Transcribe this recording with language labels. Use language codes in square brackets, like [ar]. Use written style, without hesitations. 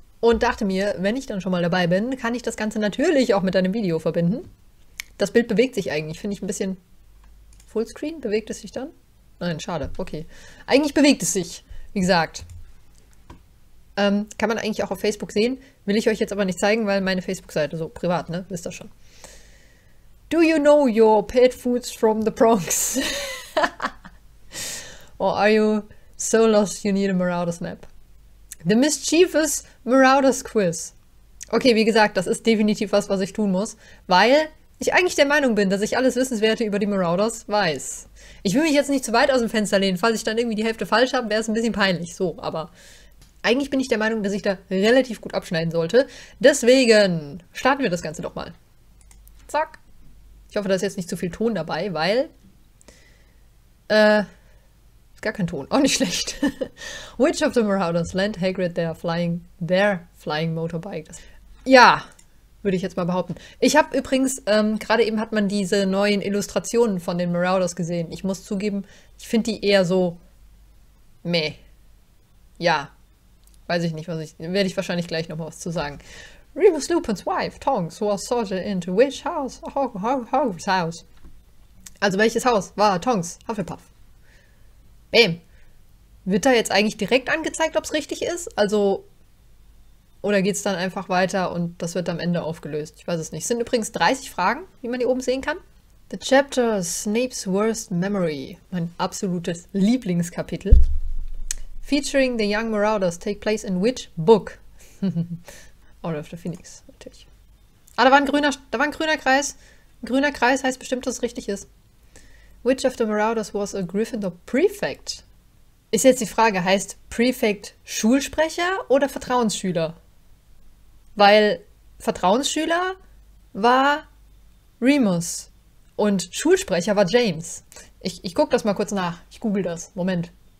[de] Und dachte mir, wenn ich dann schon mal dabei bin, kann ich das Ganze natürlich auch mit einem Video verbinden. Das Bild bewegt sich eigentlich, finde ich ein bisschen. Fullscreen? Bewegt es sich dann? Nein, schade. Okay. Eigentlich bewegt es sich, wie gesagt. Kann man eigentlich auch auf Facebook sehen. Will ich euch jetzt aber nicht zeigen, weil meine Facebook-Seite so privat, ne? Wisst ihr schon. [en] Do you know your pet foods from the Bronx? Or are you so lost you need a Marauders Map? The mischievous Marauders Quiz. [de] Okay, wie gesagt, das ist definitiv was, was ich tun muss, weil ich eigentlich der Meinung bin, dass ich alles Wissenswerte über die Marauders weiß. Ich will mich jetzt nicht zu weit aus dem Fenster lehnen. Falls ich dann irgendwie die Hälfte falsch habe, wäre es ein bisschen peinlich. So, aber eigentlich bin ich der Meinung, dass ich da relativ gut abschneiden sollte. Deswegen starten wir das Ganze doch mal. Zack. Ich hoffe, da ist jetzt nicht zu viel Ton dabei, weil gar kein Ton. Auch nicht schlecht. [en] Which of the Marauders lent Hagrid their flying motorbike? [de] Ja. Würde ich jetzt mal behaupten. Ich habe übrigens, gerade eben hat man diese neuen Illustrationen von den Marauders gesehen. Ich muss zugeben, ich finde die eher so meh. Ja, weiß ich nicht, werde ich wahrscheinlich gleich nochmal was zu sagen. [en] Remus Lupins wife, Tonks, was sorted into which house? [de] Hogwarts House. Also welches Haus war Tonks? Hufflepuff. Bäm. Wird da jetzt eigentlich direkt angezeigt, ob es richtig ist? Also. Oder geht es dann einfach weiter und das wird am Ende aufgelöst? Ich weiß es nicht. Es sind übrigens 30 Fragen, wie man hier oben sehen kann. [en] The Chapter Snape's Worst Memory, [de] mein absolutes Lieblingskapitel. [en] Featuring the Young Marauders take place in which book? [de] Order of the Phoenix, natürlich. Ah, da war ein grüner Kreis. Ein grüner Kreis heißt bestimmt, dass es richtig ist. [en] Which of the Marauders was a Gryffindor Prefect? [de] Ist jetzt die Frage, heißt Prefect Schulsprecher oder Vertrauensschüler? Weil Vertrauensschüler war Remus und Schulsprecher war James. Ich gucke das mal kurz nach. Ich google das. Moment.